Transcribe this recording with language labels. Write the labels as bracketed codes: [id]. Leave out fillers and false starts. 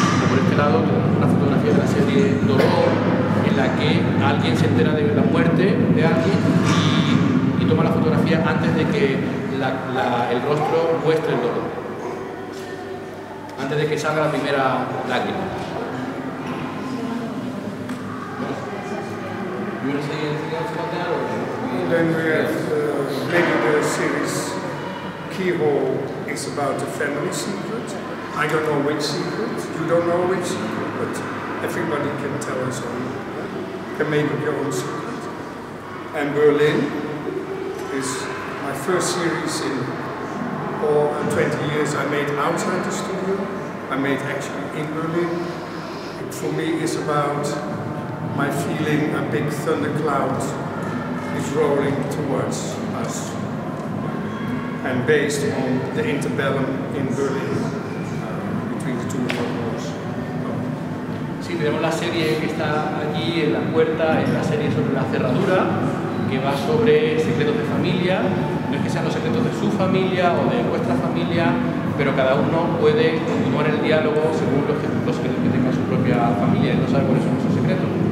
[es] Por este lado, una fotografía de la serie Dolor, en la que alguien se entera de la muerte de alguien y toma la fotografía antes de que el rostro muestre el dolor, antes de que salga la primera lágrima. [en] Then we have maybe the series Keyhole is about a family secret. I don't know which secret, you don't know which secret, but everybody can tell us own, can make up your own secret. And Berlin is my first series in all 20 years I made outside the studio. I made actually in Berlin. It for me is about my feeling a big thundercloud is rolling towards us, and based on the interbellum in Berlin between the two world wars. [es] Sí, tenemos la serie que está allí en la puerta, es la serie sobre la cerradura, que va sobre secretos de familia. No es que sean los secretos de su familia o de vuestra familia, pero cada uno puede continuar el diálogo según los secretos que tenga su propia familia y no sabe cuáles son esos secretos.